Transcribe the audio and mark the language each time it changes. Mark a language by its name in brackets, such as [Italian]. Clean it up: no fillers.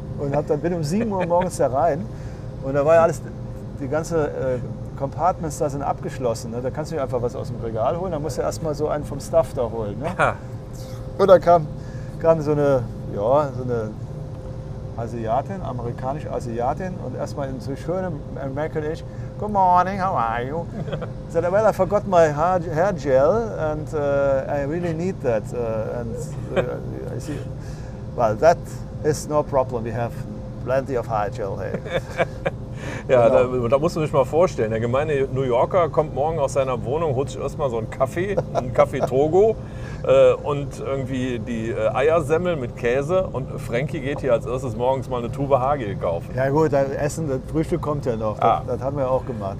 [German] Und bin um 7 Uhr morgens da rein. Und da war ja alles, die ganze Compartments da sind abgeschlossen. Ne? Da kannst du nicht einfach was aus dem Regal holen. Da musst du erst mal so einen vom Staff da holen. Ne? Ja. Und da kam so eine, ja, so eine Asiatin, amerikanische Asiatin. Und erst mal in so schönem American-ish. [English] Good morning, how are you? I said, well, I forgot my hair gel and I really need that. I see. Well, that is no problem. We have plenty of hair gel here. [German] Ja, genau. Da musst du dich mal vorstellen. Der gemeine New Yorker kommt morgen aus seiner Wohnung, holt sich erstmal so einen Kaffee Togo und irgendwie die Eiersemmel mit Käse. Und Frankie geht hier als erstes morgens mal eine Tube Haargel kaufen. Ja gut, das Frühstück kommt ja noch. Das, das haben wir auch gemacht.